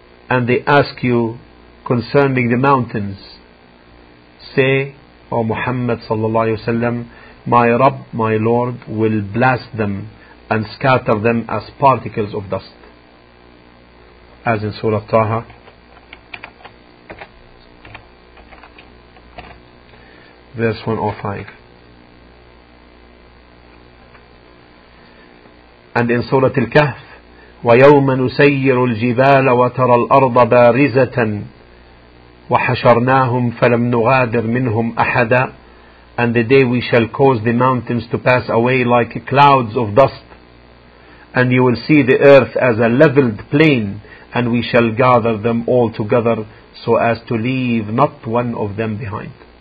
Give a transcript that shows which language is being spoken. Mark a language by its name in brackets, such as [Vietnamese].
[English] And they ask you concerning the mountains. Say, O Muhammad sallallahu alayhi wa sallam, my Rabb, my Lord, will blast them and scatter them as particles of dust. As in Surah Taha, verse 105. And in Surah Al-Kahf, [Arabic] وَيَوْمَ نُسَيِّرُ الْجِبَالَ وَتَرَى الْأَرْضَ بَارِزَةً وَحَشَرْنَاهُمْ فَلَمْ نُغَادِرْ مِنْهُمْ أَحَدًا. [English] And the day we shall cause the mountains to pass away like clouds of dust, and you will see the earth as a leveled plain, and we shall gather them all together so as to leave not one of them behind.